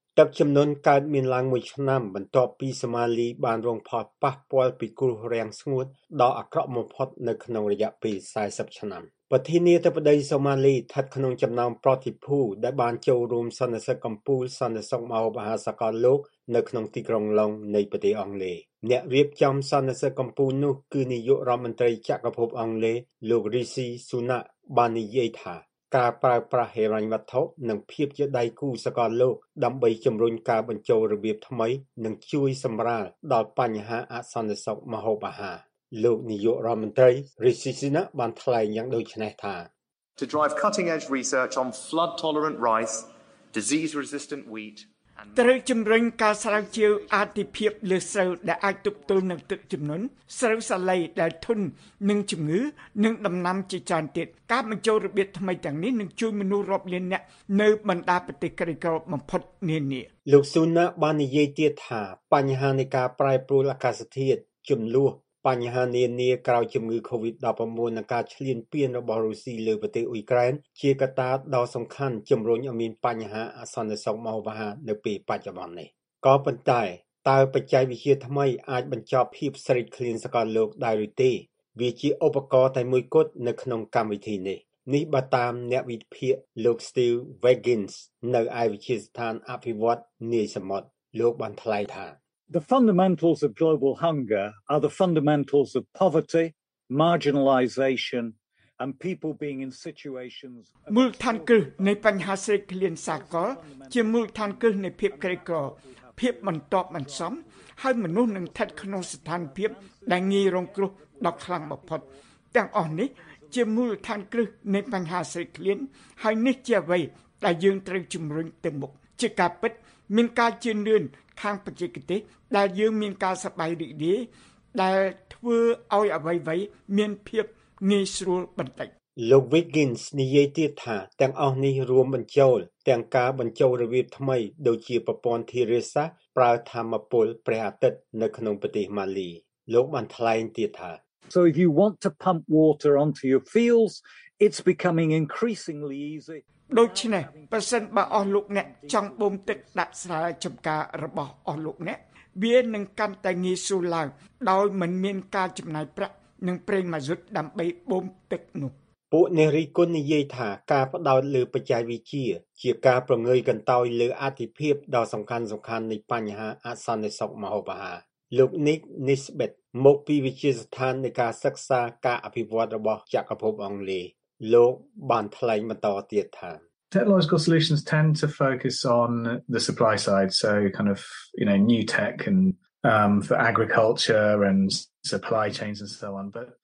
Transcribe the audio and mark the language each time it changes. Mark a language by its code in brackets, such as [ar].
[km] ទឹកជំនន់កើតមានឡើងមួយឆ្នាំបន្ទាប់ពីសូម៉ាលីបានរងផលប៉ះពាល់ពីគ្រោះរាំងស្ងួតដ៏អាក្រក់បំផុតនៅក្នុងរយៈពេល40ឆ្នាំប្រធានាធិបតីសូម៉ាលីស្ថិតក្នុងចំណោមប្រតិភូដែលបានចូលរួមសន្និសីទកំពូលសន្និសីទម្ហូបអាហារសកលលោកនៅក្នុងទីក្រុងឡុងនៃប្រទេសអង់គ្លេសអ្នករៀបចំសន្និសីទកំពូលនោះគឺនាយករដ្ឋមន្ត្រីចក្រភពអង់គ្លេសលោករីស៊ីស៊ូណាក់បាននិយាយថា ការប្រើប្រាស់ហិរញ្ញវត្ថុនិងភាពជាដៃគូសកលលោកដើម្បីជំរុញការបញ្ចូលរបៀបថ្មីនិងជួយសម្រាលដល់បញ្ហាអសន្តិសុខម្ហូបអាហារលោកនាយករដ្ឋមន្ត្រីរីស៊ីស៊ីណាបានថ្លែងយ៉ាងដូចនេះថា [en] To drive cutting edge research on flood tolerant rice, disease resistant wheat and [km] ត្រូវជំរុញការស្រាវជ្រាវអតិភិបលើស្រូវដែលអាចទប់ទល់នឹងទឹកជំនន់ស្រូវសាលីដែលធន់នឹងជំងឺនិងដំណាំជាច្រើនទៀតការបញ្ចូលរបៀបថ្មីទាំងនេះនឹងជួយមនុស្សរាប់លានអ្នកនៅបណ្ដាប្រទេសក្រីក្របំផុតនានា លោកស៊ូណាបាននិយាយទៀតថាបញ្ហានៃការប្រែប្រួលអាកាសធាតុជំនួសបញ្ហានានាក្រោយជំងឺ COVID-19 និងការឈ្លានពានរបស់រុស្ស៊ីលើប្រទេសអ៊ុយក្រែនជាកត្តាដ៏សំខាន់ជំរុញឲ្យមានបញ្ហាអសន្តិសុខម្ហូបអាហារនៅពេលបច្ចុប្បន្ននេះក៏ប៉ុន្តែ តើបច្ចេកវិទ្យាថ្មីអាចបញ្ចប់ភាពស្រេកឃ្លានសកលលោកដែរឬទេវាជាឧបករណ៍តែមួយគត់នៅក្នុងកម្មវិធីនេះនេះបើតាមអ្នកវិទ្យាលោក Steve Wiggins នៅឯវិទ្យាស្ថានអភិវឌ្ឍនាយសមុទ្រលោកបានថ្លែងថា [en] The fundamentals of global hunger are the fundamentals of poverty, marginalization, and people being in situations of [km] មូលដ្ឋានគ្រឹះនៃបញ្ហាស្រេកឃ្លានសកលជាមូលដ្ឋានគ្រឹះនៃភាពក្រីក្រភាពបន្ទាប់បន្សំហើយមនុស្សនឹងស្ថិតក្នុងស្ថានភាពដែលងាយរងគ្រោះដល់ខ្លាំងបំផុតទាំងអស់នេះជាមូលដ្ឋានគ្រឹះនៃបញ្ហាស្រេកឃ្លានហើយនេះជាអ្វីដែលយើងត្រូវជំរុញទៅមុខជាការពិតមានការជឿនលឿនខាងបច្ចេកទេសដែលយើងមានការសប្បាយរីករាយដែលធ្វើឲ្យអ្វីៗមានភាពងាយស្រួលបន្តិច លោក Wiggins និយាយទៀតថាទាំងអស់នេះរួមបញ្ចូលទាំងការបញ្ចូលរបៀបថ្មីដូចជាប្រព័ន្ធធារាសាស្ត្រប្រើថាមពលព្រះអាទិត្យនៅក្នុងប្រទេសម៉ាលីលោកបានថ្លែងទៀតថា [en] So if you want to pump water onto your fields it's becoming increasingly easy [km] ដូច្នេះប្រសិនបើអស់លោកអ្នកចង់បូមទឹកដាក់ស្រែចម្ការរបស់អស់លោកអ្នកវានឹងកាន់តែងាយស្រួលឡើងដោយមិនមានការចំណាយប្រាក់និងប្រេងម៉ាស៊ូតដើម្បីបូមទឹកនោះ ពួកនារីគុននិយាយថាការផ្ដោតលើបច្ចេកវិទ្យាជាការប្រងើយកន្តើយលើអធិភាពដ៏សំខាន់នៃបញ្ហាអសន្តិសុខម្ហូបអាហារលោក Nick Nisbet មកពីវិទ្យាស្ថាននៃការសិក្សាការអភិវឌ្ឍរបស់ចក្រភពអង់គ្លេសលោកបានថ្លែងបន្តទៀតថា [en] Technological solutions tend to focus on the supply side so kind of you know new tech andfor agriculture and supply chains and so on but